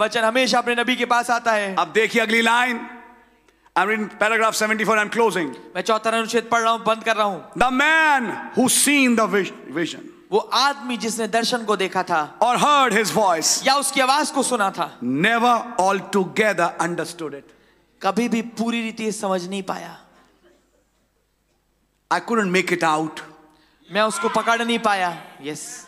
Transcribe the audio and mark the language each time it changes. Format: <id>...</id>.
<hi>वचन हमेशा अपने नबी के पास आता है. अब देखिए अगली line.</hi> <en>I'm in paragraph 74. I'm closing.</en> <hi>मैं चौथा अनुच्छेद पढ़ रहा हूँ. बंद कर रहा हूँ.</hi> <en>The man who seen the vision.</en> <hi>वो आदमी जिसने दर्शन को देखा था</hi> <en>और heard his voice</en> <hi>या उसकी आवाज को सुना था</hi> <en>never altogether understood it</en> <hi>कभी भी पूरी रीति समझ नहीं पाया</hi> <en>I couldn't make it out</en> <hi>मैं उसको पकड़ नहीं पाया यस</hi>